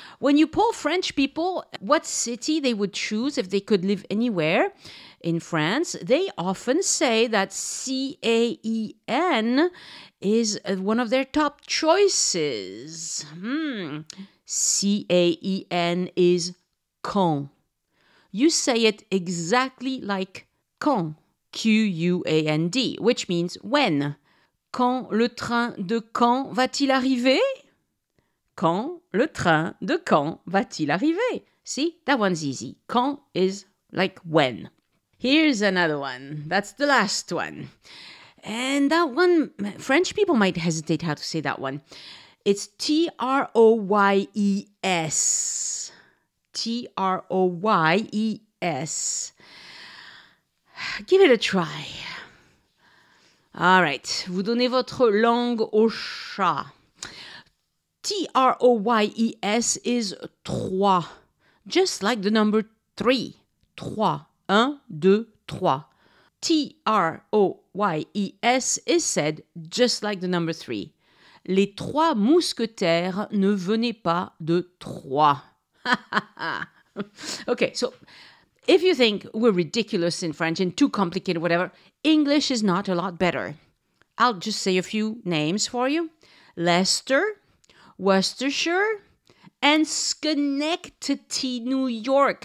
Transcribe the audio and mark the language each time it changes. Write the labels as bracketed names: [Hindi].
[English] When you poll French people what city they would choose if they could live anywhere in France, they often say that Caen is one of their top choices. Caen is Caen. You say it exactly like quand, Quand, which means when. [French] Quand le train de Caen va-t-il arriver? Quand le train de Caen va-t-il arriver? [English] See, that one's easy. Quand is like when. Here's another one. That's the last one. And that one, French people might hesitate how to say that one. It's T-R-O-Y-E-S. T-R-O-Y-E-S. Give it a try. All right. [French] Vous donnez votre langue au chat. [English] T-R-O-Y-E-S is trois. Just like the number three. Trois. [French] Un, deux, trois. [English] T-R-O-Y-E-S is said just like the number three. [French] Les trois mousquetaires ne venaient pas de Troyes. [English] Okay, so if you think we're ridiculous in French and too complicated, whatever, English is not a lot better. I'll just say a few names for you. Leicester, Worcestershire, and Schenectady, New York.